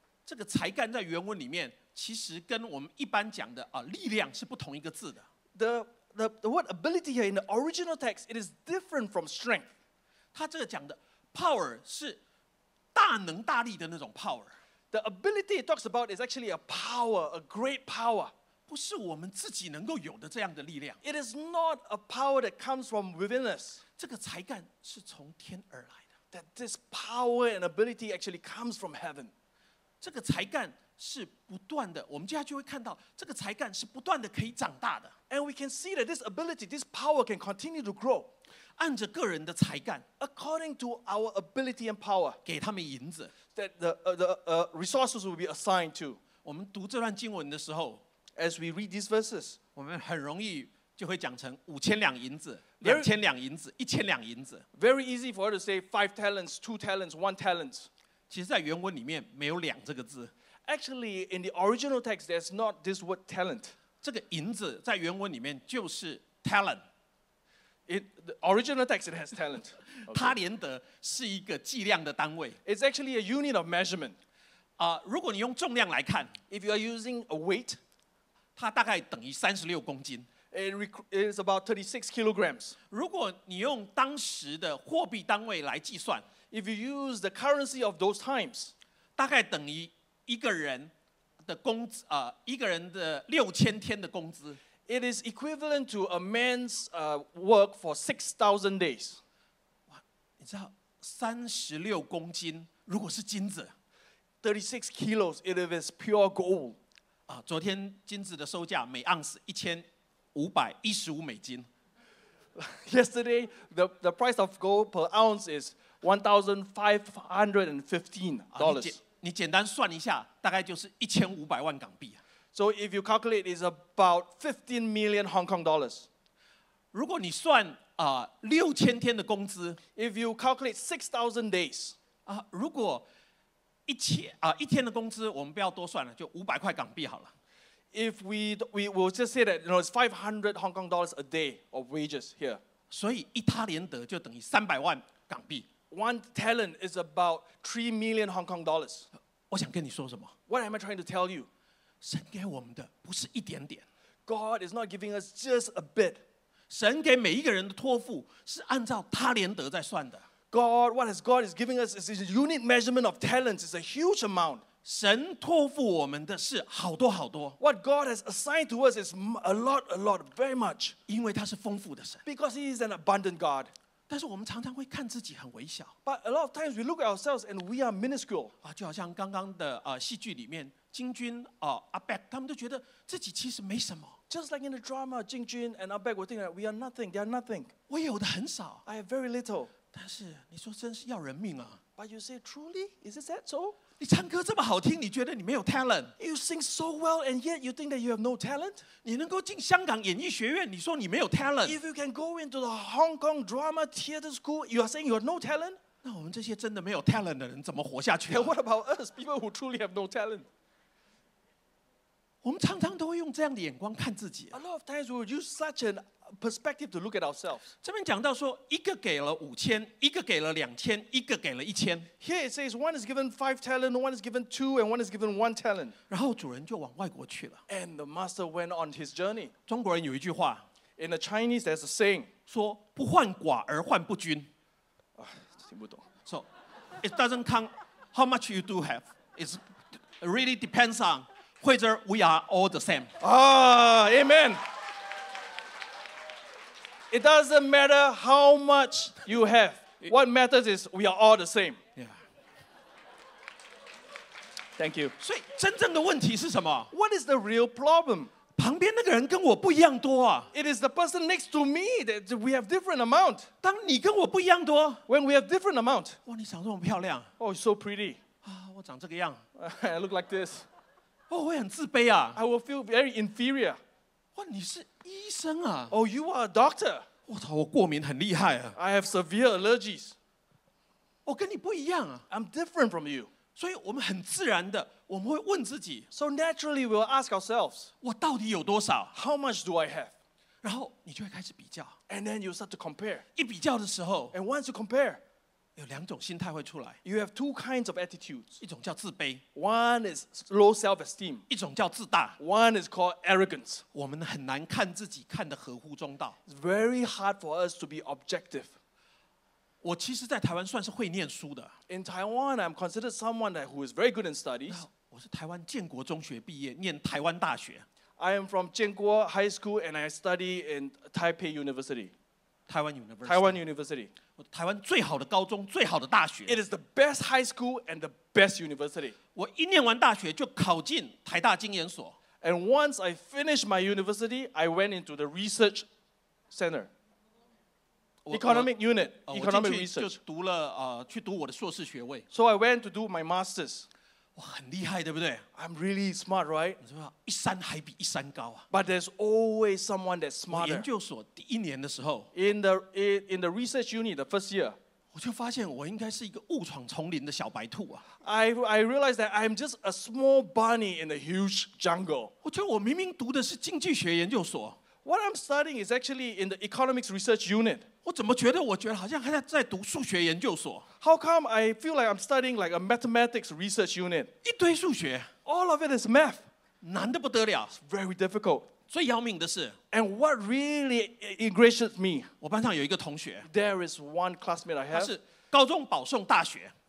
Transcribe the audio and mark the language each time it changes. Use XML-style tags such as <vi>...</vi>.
<zh>这个才干在原文里面，其实跟我们一般讲的力量是不同一个字的。</zh> <en>The the word ability here in the original text, it is different from strength.</en> <zh>他这个讲的 power 是大能大力的那种 power.</zh> <en>The ability it talks about is actually a power, a great power.</en> <zh>不是我们自己能够有的这样的力量。</zh> <en>It is not a power that comes from within us.</en> <zh>这个才干是从天而来的。</zh> <en>That this power and ability actually comes from heaven.</en> <zh>这个才干是不断的，我们接下去会看到这个才干是不断的可以长大的。</zh> <en>And we can see that this ability, this power can continue to grow.</en> <zh>按着个人的才干，</zh> <en>according to our ability and power,</en> <zh>给他们银子，</zh> <en>that the resources will be assigned to.</en> <zh>我们读这段经文的时候，</zh> <en>as we read these verses,</en> <zh>我们很容易就会讲成五千两银子，两千两银子，一千两银子。</zh> <en>Very easy for her to say 5 talents, 2 talents, 1 talent.</en> <zh>其实在原文里面没有两这个字。</zh> <en>Actually, in the original text, there's not this word talent.</en> <zh>这个银子在原文里面就是 talent.</zh> <en>The original text, it has talent.</en> <zh>他连德是一个计量的单位。</zh> <en>It's actually a unit of measurement.</en> <zh>如果你用重量来看，</zh> <en>if you are using a weight,</en> <zh>它大概等于36公斤。</zh> <en>It's about 36 kilograms.</en> <zh>如果你用当时的货币单位来计算，</zh> <en>if you use the currency of those times,</en> <zh>大概等于一个人的工资，一个人的6000天的工资。</zh> <en>It is equivalent to a man's work for 6,000 days.</en> <zh>哇，你知道36公斤，如果是金子</zh> <en>，36 kilos, it is pure gold.</en> <zh>啊，昨天金子的售价每盎司1,515美金。</zh> <en>Yesterday, the price of gold per ounce is $1,515.</en> <zh>你简单算一下，大概就是1500万港币。</zh> <en>So if you calculate, it's about 15 million Hong Kong dollars.</en> <zh>如果你算6000天的工资</zh> <en>，if you calculate 6,000 days,</en> <zh>如果一天的工资，我们不要多算了，就500块港币好了。</zh> <en>If we will just say that, you know, it's 500 Hong Kong dollars a day of wages here.</en> <zh>所以一他连得就等于300万港币。</zh> <en>One talent is about 3 million Hong Kong dollars.</en> <zh>我想跟你说什么？</zh> <en>What am I trying to tell you?</en> <zh>神给我们的不是一点点。</zh> <en>God is not giving us just a bit.</en> <zh>神给每一个人的托付是按照他连得在算的。</zh> <en>God, what God is giving us is a unit measurement of talents. It's a huge amount.</en> <zh>神托付我们的是好多好多。</zh> <en>What God has assigned to us is a lot, very much.</en> <zh>因为他是丰富的神。</zh> <en>Because he is an abundant God.</en> <zh>但是我们常常会看自己很微小。</zh> <en>But a lot of times we look at ourselves and we are minuscule.</en> <zh>就好像刚刚的戏剧里面，金军阿伯，他们都觉得自己其实没什么。</zh> <en>Just like in the drama, 金军 and 阿伯were thinking that we are nothing, they are nothing.</en> <zh>我有的很少。</zh> <en>I have very little.</en> <zh>但是你说真是要人命啊。</zh> <en>But you say truly, is it that so?</en> <zh>你唱歌这么好听，你觉得你没有 talent?</zh> <en>You sing so well, and yet you think that you have no talent?</en> <zh>你能够进香港演艺学院，你说你没有 talent?</zh> <en>If you can go into the Hong Kong Drama Theatre School, you are saying you have no talent?</en> <zh>那我们这些真的没有 talent 的人怎么活下去？</zh> <en>And what about us, people who truly have no talent?</en> <zh>我们常常都会用这样的眼光看自己。</zh> <en>A lot of times we use such anperspective to look at ourselves.</en> <zh>这边讲到说，一个给了五千，一个给了两千，一个给了一千。</zh> <en>Here it says one is given 5 talents, one is given 2, and one is given 1 talent.</en> <zh>然后主人就往外国去了。</zh> <en>And the master went on his journey.</en> <zh>中国人有一句话。</zh> <en>In the Chinese, there's a saying.</en> <zh>说不患寡而患不均。听不懂。</zh> <en>So it doesn't count how much you do have. It really depends on whether we are all the same. Amen. It doesn't matter how much you have. What matters is we are all the same. Yeah. Thank you.</en> <zh>所以真正的问题是什么？</zh> <en>What is the real problem?</en> <zh>旁边那个人跟我不一样多啊。</zh> <en>It is the person next to me that we have different amount.</en> <zh>当你跟我不一样多，</zh> <en>when we have different amount.</en> <zh>哇，你长这么漂亮。</zh> <en>Oh, you're so pretty.</en> <zh>我长这个样。</zh> <en>I look like this.</en> <zh>我很自卑啊。</zh> <en>I will feel very inferior.</en> <zh>哇，你是医生啊。</zh> <en>Oh, you are a doctor.</en> <zh>我操，我过敏很厉害啊。</zh> <en>I have severe allergies.</en> <zh>我跟你不一样啊。</zh> <en>I'm different from you.</en> <zh>所以我们很自然的，我们会问自己。</zh> <en>So naturally, we'll ask ourselves.</en> <zh>我到底有多少？</zh> <en>How much do I have?</en> <zh>然后你就会开始比较。</zh> <en>And then you start to compare.</en> <zh>一比较的时候。</zh> <en>And once you compare.</en> <zh>有两种心态会出来。</zh> <en>You have two kinds of attitudes.</en> <zh>一种叫自卑。</zh> <en>One is low self-esteem.</en> <zh>一种叫自大。</zh> <en>One is called arrogance.</en> <zh>我们很难看自己看得合乎中道。</zh> <en>It's very hard for us to be objective.</en> <zh>我其实在台湾算是会念书的。</zh> <en>In Taiwan, I'm considered someone that who is very good in studies.</en> <zh>我是台湾建国中学毕业，念台湾大学。</zh> <en>I am from Jianguo High School and I study in Taipei University. Taiwan University. Taiwan University.</en> <zh>台湾最好的高中，最好的大学。</zh> <en>It is the best high school and the best university.</en> <zh>我一念完大学就考进台大经研所。</zh> <en>And once I finished my university, I went into the research center. Economic unit, economic research.</en> <zh>我进去就读了，去读我的硕士学位。</zh> <en>So I went to do my master's.</en> <zh>我很厉害，对不对</zh> <en>？I'm really smart, right?</en> <zh>你知道，一山还比一山高啊。</zh> <en>But there's always someone that's smarter.</en> <zh>我研究所第一年的时候</zh> <en>，in the research unit the first year，</en> <zh>我就发现我应该是一个误闯丛林的小白兔啊。</zh> <en>I realized that I'm just a small bunny in a huge jungle.</en> <zh>我觉得我明明读的是经济学研究所。</zh> <en>What I'm studying is actually in the economics research unit.</en> <zh>我怎么觉得？我觉得好像还在读数学研究所。</zh> <en>How come I feel like I'm studying like a mathematics research unit?</en> <zh>一堆数学。</zh> <en>All of it is math.</en> <zh>难得不得了。</zh> <en>Very difficult.</en> <zh>最要命的是。</zh> <en>And what really ingratiates me?</en> <zh>我班上有一个同学。</zh> <en>There is one classmate I have.</en> <zh>他是高中保送大学。</zh>